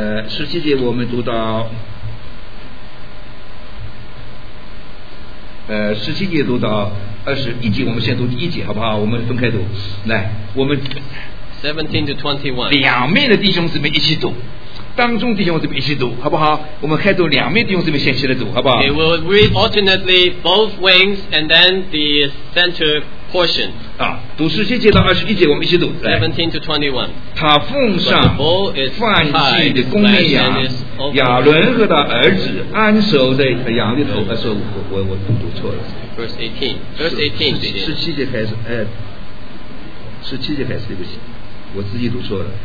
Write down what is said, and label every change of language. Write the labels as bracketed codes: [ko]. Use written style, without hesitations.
[zh] 十七节我们读到，十七节读到二十一节，我们先读第一节好不好？我们分开读，来，我们 [en] 17 to 21， [zh] 两面的弟兄姊妹一起读，当中弟兄姊妹一起读，好不好？我们开读两面弟兄姊妹先起来读，好不好 [en] ？It will read alternately both wings and then the center. Portion. [zh] 啊，读十七节到二十一节，我们一起读。 [en] 17 to 21。 [zh] 他奉上犯祭的公绵羊亚伦和他儿子安守在羊的头。我读错了。 [en] Verse 18。 [zh] 十七节开始，对不起，我自己读错了。